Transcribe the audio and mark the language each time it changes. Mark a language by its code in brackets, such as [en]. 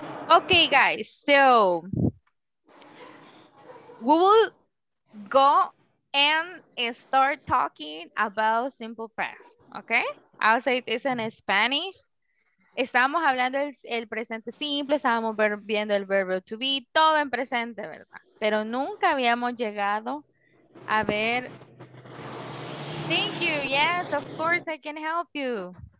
[en] Okay, guys, so we will go and start talking about simple past, okay? I'll say this in Spanish. [es] Estábamos hablando el presente simple, estábamos viendo el verbo to be, todo en presente, ¿verdad? Pero nunca habíamos llegado a ver. [en] Thank you, yes, of course, I can help you.